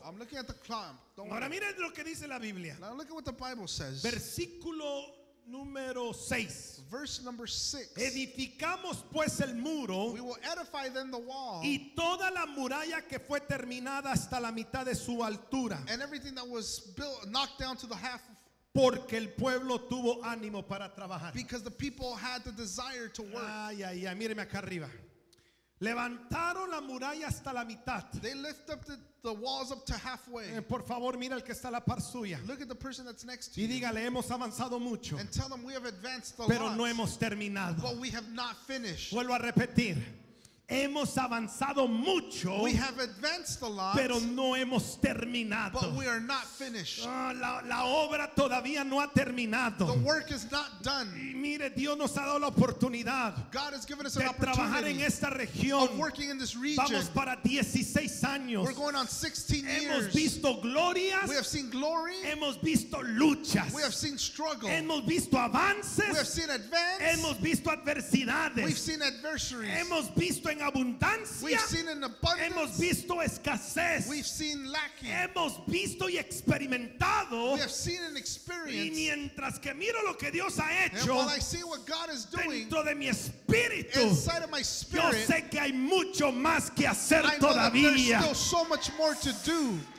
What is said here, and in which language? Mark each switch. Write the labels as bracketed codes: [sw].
[en] I'm looking at the clock. Don't [es] ahora mire lo que dice la Biblia. [en] Now look at what the Bible says. [es] Versículo número 6. [en] Verse number 6. [es] Edificamos pues el muro. [en] We will edify then the wall. [es] Y toda la muralla que fue terminada hasta la mitad de su altura. [en] And everything that was built, knocked down to the half of. [es] Porque el pueblo tuvo ánimo para trabajar. [en] Because the people had the desire to work. [es] Ay, ay, ay, míreme acá arriba. Levantaron la muralla hasta la mitad. [en] They lift up the walls up to halfway. [es] Por favor, mira el que está a la par suya. [en] Look at the person that's next to [es] y dígale, hemos avanzado mucho. [en] And tell them we have advanced a [es] pero [en] lot, [es] no hemos terminado. [en] But we have not finished. [es] Vuelvo a repetir. Hemos avanzado mucho, [en] we have advanced a lot, [es] pero no hemos terminado. [en] But we are not finished. [es] La obra todavía no ha terminado. [en] The work is not done. [es] Y mire, Dios nos ha dado la oportunidad de trabajar en esta región. [en] Of working in this region. [es] Vamos para 16 años. [en] We're going on 16 [es] hemos [en] years. [es] Visto glorias. [en] We have seen glory. [es] Hemos visto luchas. [en] We have seen struggle. [es] Hemos visto avances. [en] We have seen advance. [es] Hemos visto adversidades. [en] We've seen adversaries. [es] Hemos visto en abundancia. [en] We've seen in abundance. [es] Hemos visto escasez. [en] We've seen lacking. [es] Hemos visto y experimentado. [en] We have seen and experienced. [es] Y mientras que miro lo que Dios ha hecho, [en] and while I see what God is doing, [es] dentro de mi espíritu, [en] inside of my spirit, [es] yo sé que hay mucho más que hacer todavía. [en] I know that there's still so much more to do.